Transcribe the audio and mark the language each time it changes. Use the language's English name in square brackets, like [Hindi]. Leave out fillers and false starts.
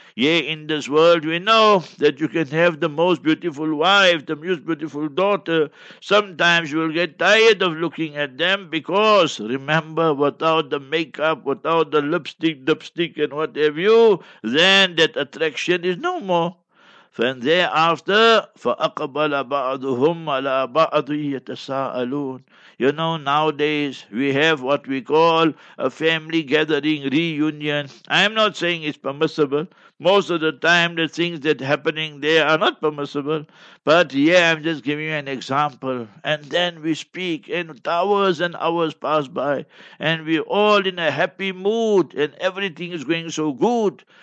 [English] Yea, in this world we know that you can have the most beautiful wife, the most beautiful daughter, sometimes you will get tired of looking at them, because remember, without the makeup, without the lipstick, dipstick, and what have you, then that attraction is no more. And thereafter, [Arabic] فَأَقَبَلَ بَعْضُهُمْ عَلَىٰ بَعْضِهِ يَتَسَاءَلُونَ. [English] You know, nowadays, we have what we call a family gathering reunion. I'm not saying it's permissible. Most of the time, the things that are happening there are not permissible. But yeah, I'm just giving you an example. And then we speak, and hours and hours pass by, and we're all in a happy mood, and everything is going so good.